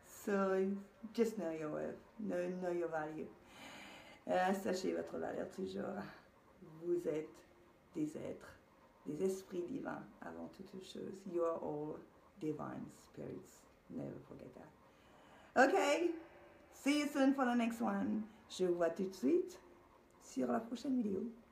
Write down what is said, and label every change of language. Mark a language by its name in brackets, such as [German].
[English] So just know your worth, know your value. [French] Sachez votre valeur toujours. Vous êtes des êtres, des esprits divins avant toute chose. [English] You are all divine spirits. Never forget that. Okay, see you soon for the next one. [French] Je vous vois tout de suite sur la prochaine vidéo.